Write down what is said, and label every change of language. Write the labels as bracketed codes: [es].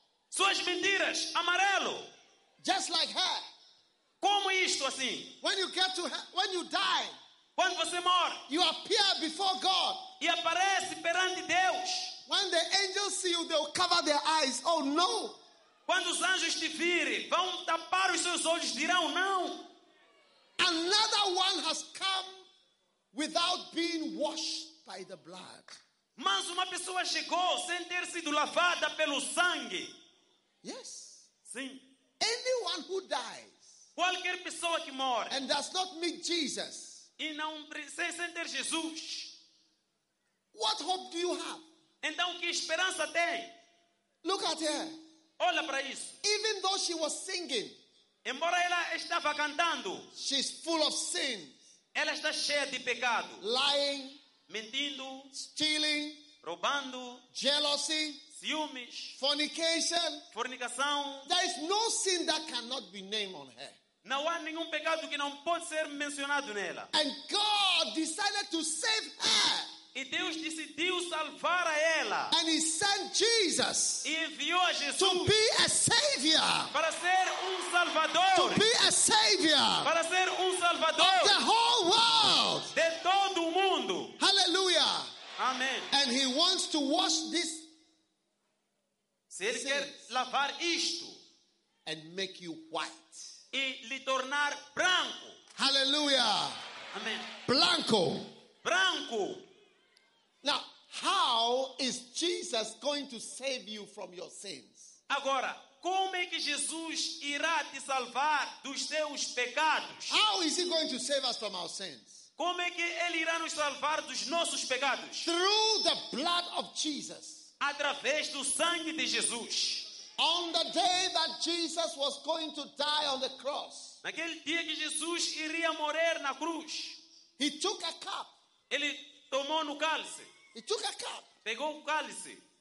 [pt] Suas mentiras, amarelo. [en] Just like her. [pt] Como isto assim? [en] When you get to her, when you die, [pt] quando você morre, [en] you appear before God. [pt] E aparece perante Deus. [en] When the angels see you, they'll cover their eyes. Oh no! [pt] Quando os anjos te virem, vão tapar os seus olhos, dirão não. [en] Another one has come without being washed by the blood. [pt] Mas uma pessoa chegou sem ter sido lavada pelo sangue. [en] Yes. [pt] Sim. [en] Anyone who dies, [pt] qualquer pessoa que morre, [en] and does not meet Jesus, [pt] e não sem ter Jesus, [en] what hope do you have? [pt] Então que esperança tem? [en] Look at her. [pt] Olha para isso. [en] Even though she was singing, [pt] embora ela estava cantando, [en] she's full of sins. [pt] Ela está cheia de pecado. [en] Lying, [pt] mentindo, [en] stealing, [pt] roubando, [en] jealousy, [pt] ciúmes, [en] fornication, [pt] fornicação. [en] There is no sin that cannot be named on her. [pt] Não há nenhum pecado que não pode ser mencionado nela. [en] And God decided to save her. [pt] E Deus decidiu salvar a ela. [en] And he sent Jesus, [pt] e enviou a Jesus, [en] to be a savior, [pt] para ser um salvador, [en] to be a savior, [pt] para ser um salvador [en] of the whole world, [pt] de todo o mundo. Hallelujah. Amen. [en] And he wants to wash this. [pt] Se ele quer lavar isto, [en] and make you white, [pt] e lhe tornar branco. Hallelujah. Amen. [es] Blanco. [pt] Branco. [en] Now, how is Jesus going to save you from your sins? [pt] Agora, como é que Jesus irá te salvar dos seus pecados? [en] How is he going to save us from our sins? [pt] Como é que ele irá nos salvar dos nossos pecados? [en] Through the blood of Jesus. [pt] Através do sangue de Jesus. [en] On the day that Jesus was going to die on the cross. [pt] Naquele dia que Jesus iria morrer na cruz. [en] He took a cup. [pt] Ele tomou no cálice. [en] He took a cup. [pt] Pegou o cálice.